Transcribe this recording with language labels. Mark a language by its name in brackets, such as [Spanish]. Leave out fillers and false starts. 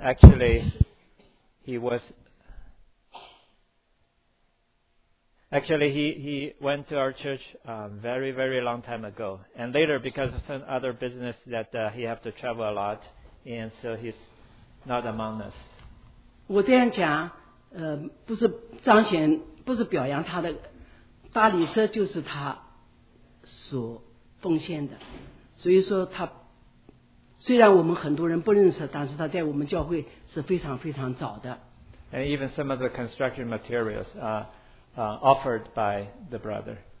[English] Actually, he went to our church very, very long time ago. And later, because of some other business that he have to travel a lot, and so he's not among us. [Chinese] 我这样讲，不是彰显，不是表扬他的，大理社就是他。所奉献的，所以说他虽然我们很多人不认识，但是他在我们教会是非常非常早的。 [English] And even some of the construction materials are offered by the brother.